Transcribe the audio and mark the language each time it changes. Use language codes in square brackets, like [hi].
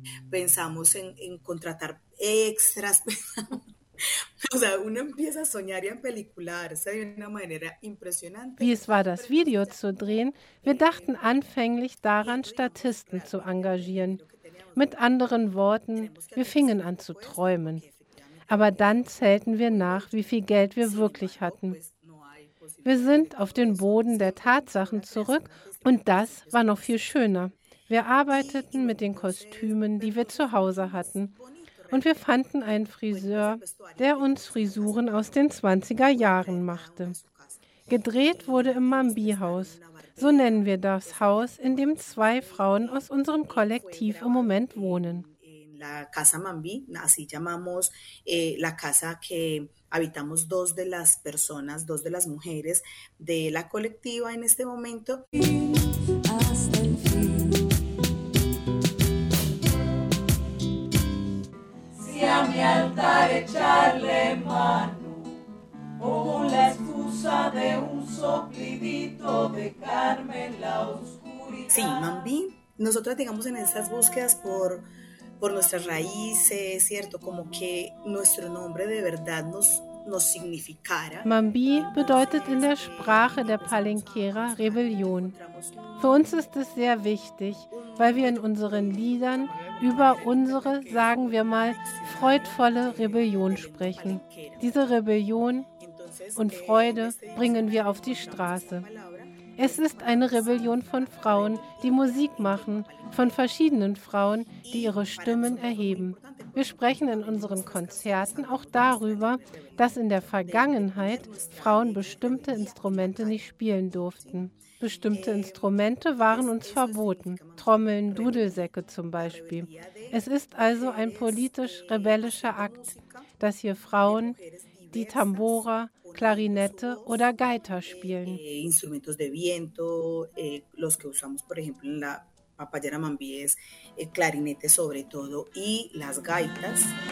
[es] Pensamos en contratar extras, o sea, uno empieza a soñar y a pelicularse de una manera impresionante. [de] Wie es war das Video zu drehen? Wir dachten anfänglich daran, Statisten zu engagieren. Mit anderen Worten, wir fingen an zu träumen. Aber dann zählten wir nach, wie viel Geld wir wirklich hatten. Wir sind auf den Boden der Tatsachen zurück und das war noch viel schöner. Wir arbeiteten mit den Kostümen, die wir zu Hause hatten. Und wir fanden einen Friseur, der uns Frisuren aus den 20er Jahren machte. Gedreht wurde im Mambi-Haus. So nennen wir das Haus, in dem zwei Frauen aus unserem Kollektiv im Moment wohnen. [es] In la casa Mambi, así llamamos la casa que habitamos dos de las personas, dos de las mujeres de la colectiva en este momento. Si a mi altar echarle mano, o la excusa de un soplidito de carne en la oscuridad. Sí, Mambi, nosotras digamos en estas búsquedas por nuestras raíces, ¿cierto? Como que nuestro nombre de verdad nos significara. [de] Mambi bedeutet in der Sprache der Palenquera Rebellion. Für uns ist es sehr wichtig, weil wir in unseren Liedern über unsere, sagen wir mal, freudvolle Rebellion sprechen. Diese Rebellion und Freude bringen wir auf die Straße. Es ist eine Rebellion von Frauen, die Musik machen, von verschiedenen Frauen, die ihre Stimmen erheben. Wir sprechen in unseren Konzerten auch darüber, dass in der Vergangenheit Frauen bestimmte Instrumente nicht spielen durften. Bestimmte Instrumente waren uns verboten, Trommeln, Dudelsäcke zum Beispiel. Es ist also ein politisch-rebellischer Akt, dass hier Frauen die Tambora, Klarinette oder Gaita spielen. [es] Instrumentos de viento, los que usamos, por ejemplo, en la papayera mambí, es clarinete sobre todo y las gaitas.